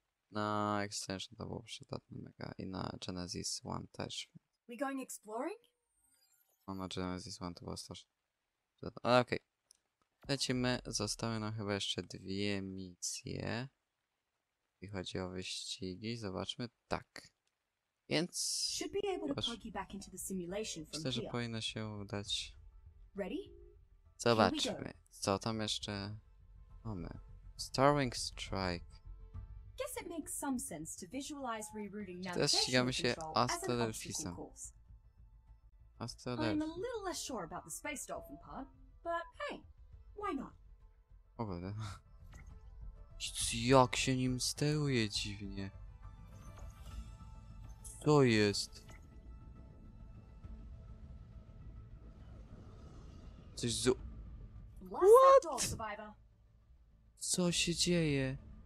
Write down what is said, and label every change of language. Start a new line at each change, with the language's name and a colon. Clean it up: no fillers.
Polish: Na extension to było przydatne mega i na Genesis One też.
English: We going exploring?
Polish: O, na Genesis One to było strasznie przydatne. Ale okej. Okay. Lecimy. Zostały nam chyba jeszcze dwie misje. I chodzi o wyścigi. Zobaczmy. Tak. Więc...
English: Should be able to plug you back into the simulation from
Polish: myślę, że powinno się udać.
English: Ready?
Polish: Zobaczmy. Co tam jeszcze mamy? Starwing Strike.
English: Guess it makes some sense to visualize rerouting navigation control as an obstacle course. I'm a little less sure about the space dolphin part, but hey, why not?
Polish: O kurde. Jak się nim steruje dziwnie. Co jest? Coś z...
English: What?
Polish: Co się dzieje?